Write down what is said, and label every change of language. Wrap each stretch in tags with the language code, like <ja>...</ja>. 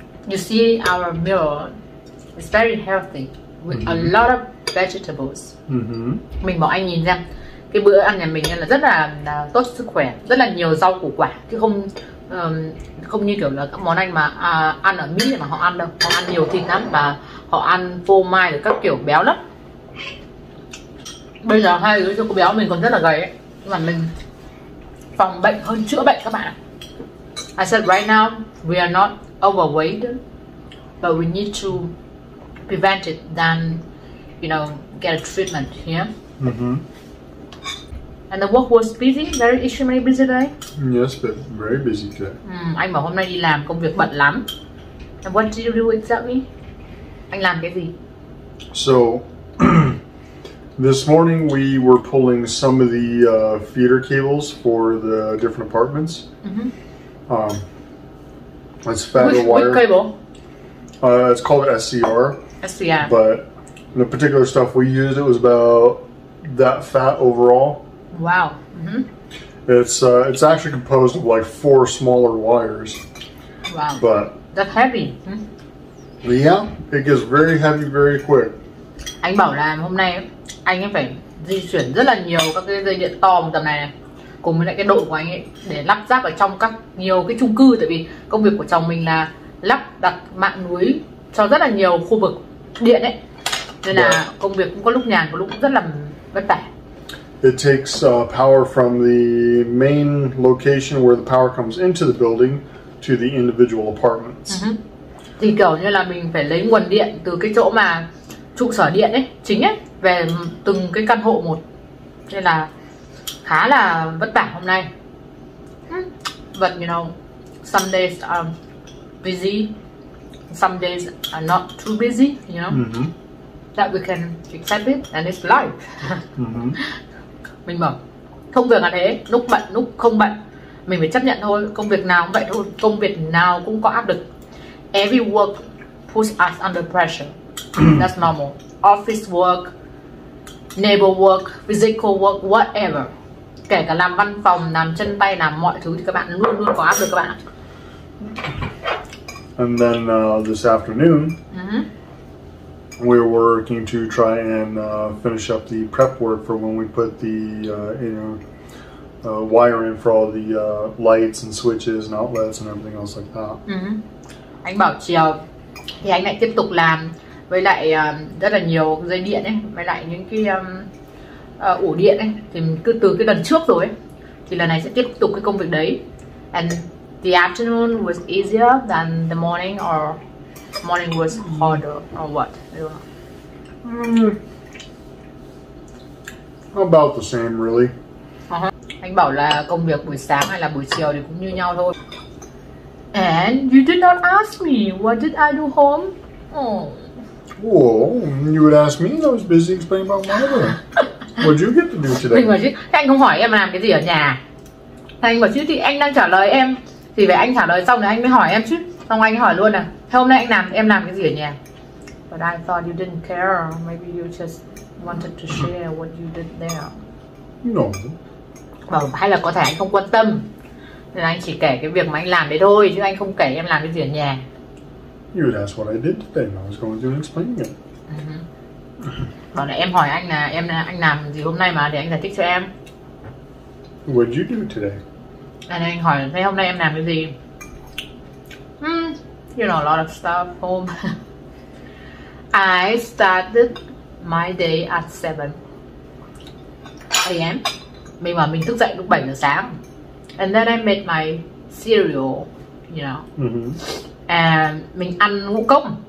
<en>You see our meal is very healthy with a lot of vegetables.</en> <vi>Mình bảo anh nhìn xem cái bữa ăn nhà mình là rất là tốt sức khỏe, rất là nhiều rau củ quả chứ không không như kiểu là các món anh mà ăn ở Mỹ mà họ ăn đâu, họ ăn nhiều thịt lắm và họ ăn phô mai rồi các kiểu béo lắm. Bây giờ hai đứa chưa có béo, mình còn rất là gầy ấy. Nhưng mà mình phòng bệnh hơn chữa bệnh các bạn ạ.</vi> <en>I said right now we are not overweight, but we need to prevent it than, you know, get a treatment here. Yeah? And the work was busy, very extremely busy today. Yes, but very busy today.</en> <vi>Anh bảo hôm nay đi làm công việc bận lắm.</vi> <en>And what did you do exactly?</en> <vi>Anh làm cái gì?</vi> <en>So, this morning we were pulling some of the feeder cables for the different apartments. It's fatter wire. Which cable? It's called SCR. SCR. But the particular stuff we used, it was about that fat overall. Wow. It's actually composed of like four smaller wires. Wow. But that's heavy. Yeah, it gets very heavy very quick.</en> <vi>Anh bảo là hôm nay anh ấy phải di chuyển rất là nhiều các cái dây điện to một tầm này, cùng với lại cái đội của anh ấy để lắp ráp ở trong các nhiều cái chung cư, tại vì công việc của chồng mình là lắp đặt mạng lưới cho rất là nhiều khu vực điện ấy, nên là công việc cũng có lúc nhàn có lúc rất là vất vả.</vi> <en>It takes power from the main location where the power comes into the building to the individual apartments.</en> <vi>Thì kiểu như là mình phải lấy nguồn điện từ cái chỗ mà trụ sở điện ấy chính ấy về từng cái căn hộ một, nên là khá là vất vả hôm nay.</vi> <en>But you know, some days are busy, some days are not too busy, you know. That we can accept it and it's life.</en> <vi>Mình bảo công việc là thế, lúc bận lúc không bận, mình phải chấp nhận thôi, công việc nào cũng vậy thôi, công việc nào cũng có áp lực.</vi> <en>Every work puts us under pressure. That's normal. Office work, neighbor work, physical work, whatever.</en> <vi>Kể cả làm văn phòng, làm chân tay, làm mọi thứ thì các bạn luôn luôn có áp lực các bạn ạ.</vi> <en>And then this afternoon, we were working to try and finish up the prep work for when we put the wire in for all the lights and switches and outlets and everything else like that.</en> <vi>Anh bảo chiều thì anh lại tiếp tục làm với lại rất là nhiều dây điện ấy, với lại những cái ủ điện ấy, thì cứ từ cái lần trước rồi ấy, thì lần này sẽ tiếp tục cái công việc đấy.</vi> <en>And the afternoon was easier than the morning, or morning was harder, or what? About the same, really.</en> <vi>Anh bảo là công việc buổi sáng hay là buổi chiều thì cũng như nhau thôi.</vi> <en>And you did not ask me, what did I do home? Oh. Whoa, you would ask me, I was busy explaining about my mother. What did you get to do today?</en> <vi>Mình bảo chứ, thế anh không hỏi em làm cái gì ở nhà. Thế anh bảo chứ thì anh đang trả lời em. Thì vậy anh trả lời xong rồi anh mới hỏi em chứ. Xong anh hỏi luôn à, thế hôm nay anh làm, em làm cái gì ở nhà?</vi> <en>But I thought you didn't care, maybe you just wanted to share what you did there. No.</en> <vi>Bảo, hay là có thể anh không quan tâm. Nên anh chỉ kể cái việc mà anh làm đấy thôi, chứ anh không kể em làm cái gì ở nhà.</vi> <en>You would ask what I did today, I was going to explain it.</en> <vi>Bảo là em hỏi anh là em anh làm gì hôm nay mà để anh giải thích cho em.</vi> <en>What did you do today?</en> <vi>Anh hỏi thế hôm nay em làm cái gì?</vi> <en>You know, a lot of stuff home. I started my day at 7 a.m.</en> <vi>Mình mà mình thức dậy lúc 7 giờ sáng.</vi> <en>And then I made my cereal, you know.</en> <vi>Mình ăn ngũ cốc.</vi>